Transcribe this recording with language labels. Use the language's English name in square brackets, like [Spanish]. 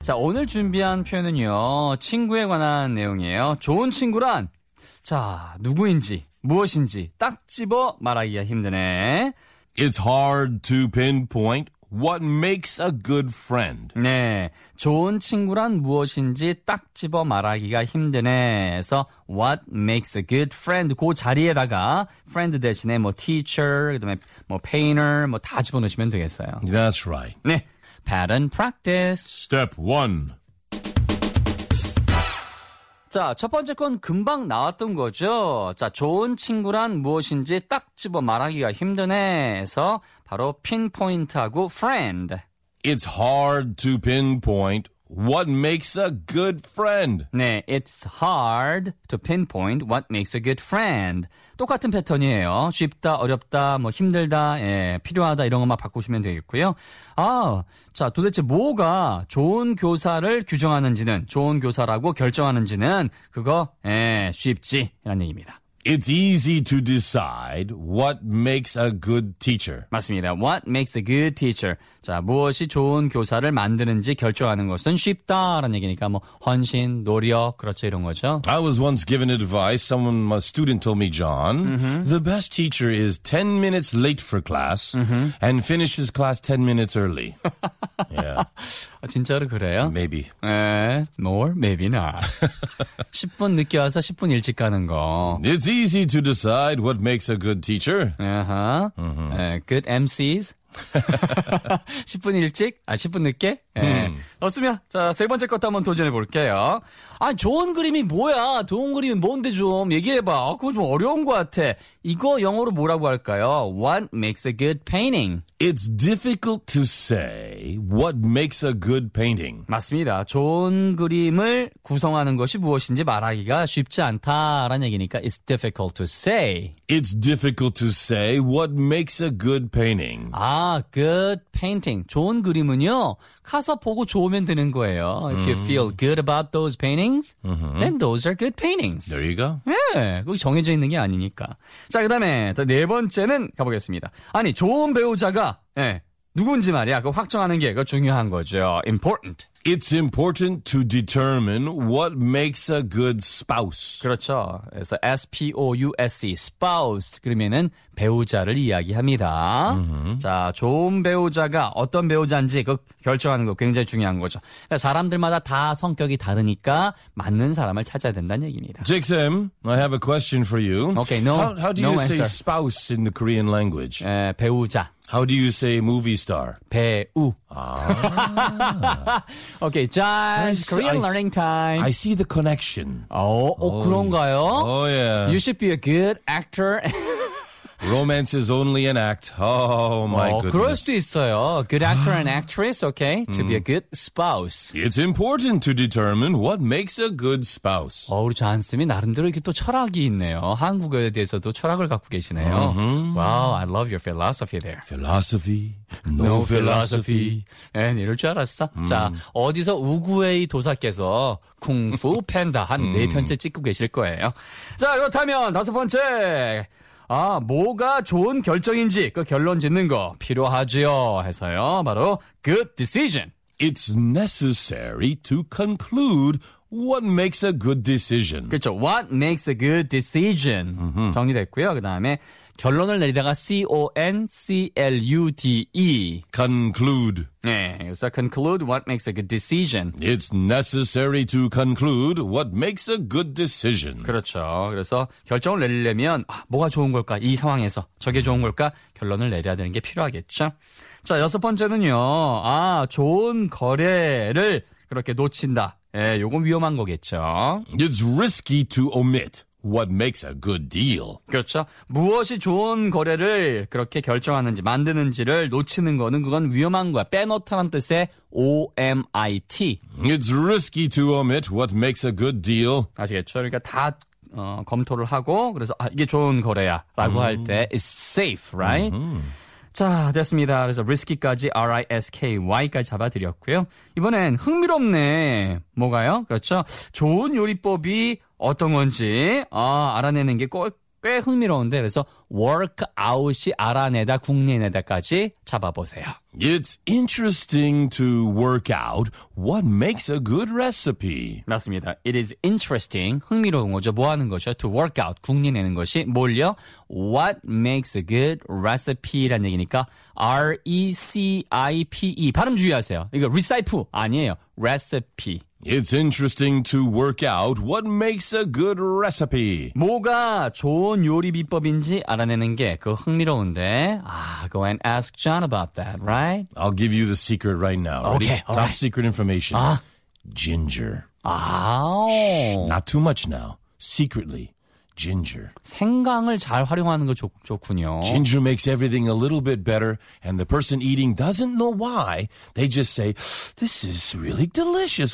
[Korean] 자, 오늘 준비한 표현은요, 친구에 관한 내용이에요. 좋은 친구란, 자, 누구인지, 무엇인지 딱 집어 말하기가 힘드네. [English] It's hard to pinpoint what makes a good friend. [Korean] 네, 좋은 친구란 무엇인지 딱 집어 말하기가 힘드네. 그래서 [English] what makes a good friend [Korean] 그 자리에다가 friend 대신에 뭐 teacher, 그다음에 뭐 painter 뭐 다 집어넣으시면 되겠어요. [English] That's right. 네, pattern practice. Step 1. [Korean] 자, 첫 번째 건 금방 나왔던 거죠. 자, 좋은 친구란 무엇인지 딱 집어 말하기가 힘드네. 해서 바로 pinpoint하고 friend. [English] It's hard to pinpoint what makes a good friend. 네, it's hard to pinpoint what makes a good friend. [Korean] 똑같은 패턴이에요. 쉽다, 어렵다, 뭐 힘들다, 예, 필요하다 이런 것만 바꾸시면 되겠고요. 아, 자, 도대체 뭐가 좋은 교사를 규정하는지는, 좋은 교사라고 결정하는지는 그거, 예, 쉽지 라는 얘기입니다. [English] It's easy to decide what makes a good teacher. [Korean] 맞습니다. [English] What makes a good teacher? [Korean] 자, 무엇이 좋은 교사를 만드는지 결정하는 것은 쉽다라는 얘기니까 뭐 헌신, 노력, 그렇죠 이런 거죠. [English] I was once given advice. Someone, a student told me, John, mm-hmm. the best teacher is 10 minutes late for class mm-hmm. and finishes class 10 minutes early. [Korean] Yeah. 아, 진짜로 그래요? [English] Maybe. 에, more? Maybe not. [Korean] 10분 늦게 와서 10분 일찍 가는 거. [English] It's easy to decide what makes a good teacher. [Korean] Uh-huh. Mm-hmm. [English] Good MCs. [Korean] 10분 일찍? 아, 10분 늦게? 네. 없으면 자, 세 번째 것도 한번 도전해 볼게요. 아, 좋은 그림이 뭐야? 좋은 그림이 뭔데 좀 얘기해 봐. 아, 그거 좀 어려운 것 같아. 이거 영어로 뭐라고 할까요? [English] What makes a good painting? It's difficult to say what makes a good painting. [Korean] 맞습니다. 좋은 그림을 구성하는 것이 무엇인지 말하기가 쉽지 않다라는 얘기니까 [English] it's difficult to say. It's difficult to say what makes a good painting. [Korean] 아, good painting. 좋은 그림은요. 가서 보고 좋으면 되는 거예요. [English] If you feel good about those paintings, mm-hmm. then those are good paintings. There you go. [Korean] 예, 그게 정해져 있는 게 아니니까. 자, 그 다음에 네 번째는 가보겠습니다. 아니, 좋은 배우자가 예, 누군지 말이야. 그 확정하는 게 그거 중요한 거죠. [English] Important. It's important to determine what makes a good spouse. [Korean] 그렇죠. 그래서 S-P-O-U-S-E, spouse. 그러면은 배우자를 이야기합니다. Mm-hmm. 자, 좋은 배우자가 어떤 배우자인지 그 결정하는 거 굉장히 중요한 거죠. 사람들마다 다 성격이 다르니까 맞는 사람을 찾아야 된다는 얘기입니다. [English] Jixim, I have a question for you. Okay, no answer. How do you no say answer. Spouse in the Korean language? [Korean] 에, 배우자. [English] How do you say movie star? [Korean] 배우. [English] Okay, John, Korean learning time. I see the connection. [Korean] Oh, 그런가요? [English] Oh, yeah. You should be a good actor. Romance is only an act. Oh, my goodness. [Korean] 그럴 수도 있어요. [English] Good actor and actress, okay? To be a good spouse. It's important to determine what makes a good spouse. [Korean] 우리 존쌤이 나름대로 이렇게 또 철학이 있네요. 한국에 대해서도 철학을 갖고 계시네요. [English] Wow, I love your philosophy there. Philosophy? No philosophy. [Korean] 에, 이럴 줄 알았어. 자, 어디서 우구웨이 도사께서 쿵푸 팬다 한 네 편째 찍고 계실 거예요. 자, 그렇다면 다섯 번째. 아, 뭐가 좋은 결정인지 그 결론 짓는 거 필요하지요. 해서요. [English] 바로 good decision. It's necessary to conclude what makes a good decision. [Korean] 그렇죠. [English] What makes a good decision. [Korean] Mm-hmm. 정리됐고요. 그다음에 결론을 내리다가 conclude. [English] Conclude. [Korean] 네. [English] 그래서 conclude what makes a good decision. It's necessary to conclude what makes a good decision. [Korean] 그렇죠. 그래서 결정을 내리려면 아, 뭐가 좋은 걸까? 이 상황에서 저게 좋은 걸까? 결론을 내려야 되는 게 필요하겠죠. 자, 여섯 번째는요. 아, 좋은 거래를 그렇게 놓친다. 예, 요건 위험한 거겠죠. [English] It's risky to omit what makes a good deal. [Korean] 그렇죠. 무엇이 좋은 거래를 그렇게 결정하는지 만드는지를 놓치는 거는 그건 위험한 거야. 빼놓다란 뜻의 OMIT. [English] It's risky to omit what makes a good deal. [Korean] 아시겠죠? 그러니까 다 검토를 하고 그래서 아, 이게 좋은 거래야라고 할 때 [English] it's safe, right? [Korean] Mm-hmm. 자, 됐습니다. 그래서 risky까지 R-I-S-K-Y까지 잡아드렸고요. 이번엔 흥미롭네. 뭐가요? 그렇죠? 좋은 요리법이 어떤 건지 알아내는 게 꽤 흥미로운데 그래서 워크아웃이 알아내다 궁리내다까지 잡아보세요. [English] It's interesting to work out what makes a good recipe. [Korean] 맞습니다. [English] It is interesting, [Korean] 흥미로운 거죠. 뭐 하는 거죠? [English] To work out, [Korean] 궁리내는 것이 뭘요? [English] What makes a good recipe라는 [Korean] 얘기니까 [English] R-E-C-I-P-E. [Korean] 발음 주의하세요. 이거 recipe 아니에요. [English] Recipe. It's interesting to work out what makes a good recipe. [Korean] 뭐가 좋은 요리 비법인지 알아내는 게 그 흥미로운데. [English] 아, go and ask John about that, right? I'll give you the secret right now. Ready? Okay, top right. secret information. Ginger. Not too much now. Secretly. Ginger. [Korean] 생강을 잘 활용하는 거 좋군요. [English] Ginger makes everything a little bit better, and the person eating doesn't know why. They just say, this is really delicious.